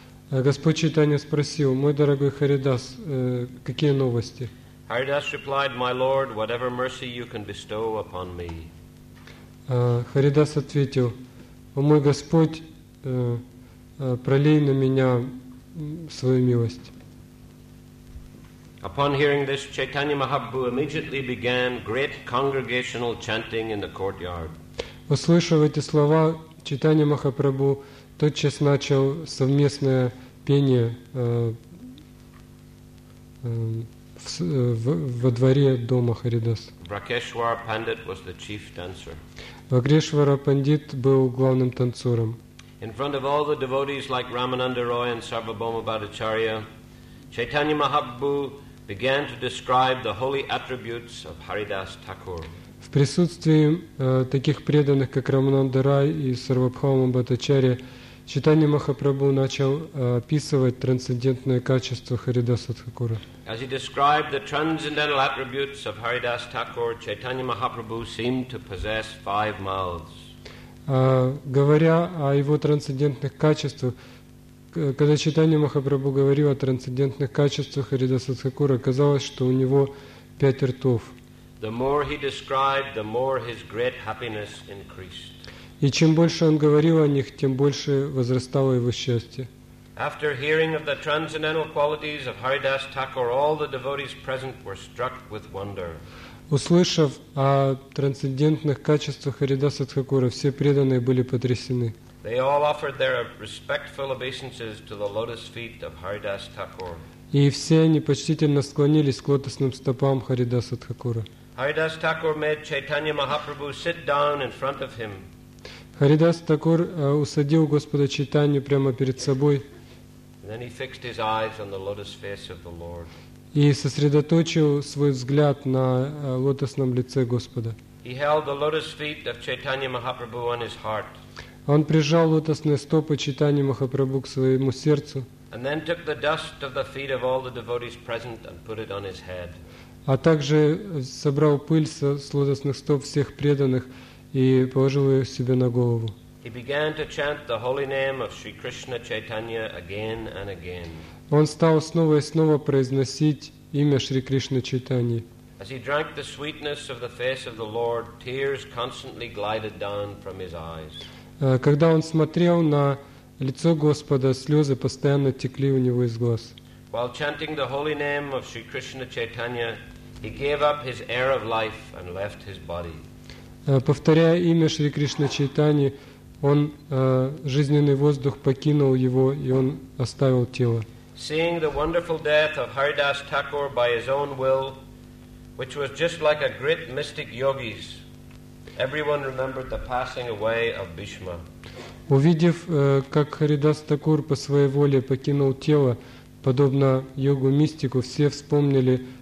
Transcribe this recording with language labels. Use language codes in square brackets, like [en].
[ru] Господь Чайтанья спросил: "Мой дорогой Харидас, какие новости?" [en] Haridas replied, "My Lord, whatever mercy you can bestow upon me." [ru] Харидас ответил: "О мой Господь, пролей на меня свою милость." [en] Upon hearing this, Chaitanya Mahaprabhu immediately began great congregational chanting in the courtyard. [ru] Услышав эти слова, Чайтанья Махапрабху тотчас начал совместное пение во дворе дома Харидас. [en] Vrakeshwara Pandit was the chief dancer. [ru] Vrakeshwara Pандит был главным танцором. [en] In front of all the devotees like Ramananda Roy and Sarvabhauma Bhattacharya, Chaitanya Mahaprabhu began to describe the holy attributes of Haridas Thakur. [ru] В присутствии таких преданных, как Рамананда Рай и Сарвабхаума Бхаттачарья, Чайтанья Махапрабху начал описывать трансцендентное качество Харидаса Тхакура. [en] As he described the transcendental attributes of Haridas Thakur, Chaitanya Mahaprabhu seemed to possess five mouths. [ru] Говоря о его трансцендентных качествах, когда Чайтанья Махапрабху говорил о трансцендентных качествах Харидаса Тхакура, казалось, что у него пять ртов. [en] The more he described, the more his great happiness increased. [ru] И чем больше он говорил о них, тем больше возрастало его счастье. [en] After hearing of the transcendental qualities of Haridas Thakur, all the devotees present were struck with wonder. [ru] Услышав о трансцендентных качествах Харидаса Тхакура, все преданные были потрясены. [en] They all offered their respectful obeisances to the lotus feet of Haridas Thakur. [ru] И все они почтительно склонились к лотосным стопам Харидаса Тхакура. [en] Haridas Thakur made Chaitanya Mahaprabhu sit down in front of him. [ru] Харидас Такур усадил Господа Чайтанью прямо перед собой. [en] Then he fixed his eyes on the lotus face of the Lord. [ru] И сосредоточил свой взгляд на лотосном лице Господа. [en] He held the lotus feet of Chaitanya Mahaprabhu on his heart. [ru] Он прижал лотосные стопы Чайтаньи Махапрабху к своему сердцу. [en] And then took the dust of the feet of all the devotees present and put it on his head. [ru] А также собрал пыль с лотосных стоп всех преданных и положил ее себе на голову. [en] He began to chant the holy name of Sri Krishna Chaitanya again and again. [ru] Он стал снова и снова произносить имя Шри Кришны Чайтаньи. [en] As he drank the sweetness of the face of the Lord, tears constantly glided down from his eyes. [ru] Когда он смотрел на лицо Господа, слезы постоянно текли у него из глаз. [en] While chanting the holy name of Sri Krishna Chaitanya, he gave up his air of life and left his body. [ru] Повторяя имя Шри Кришны Чайтаньи, он жизненный воздух покинул его, и он оставил тело. [en] Seeing the wonderful death of Haridas Thakur by his own will, which was just like a great mystic yogi's, everyone remembered the passing away of Bhishma. [ru] Увидев, как Харидас Такур по своей воле покинул тело, подобно йогу-мистику, все вспомнили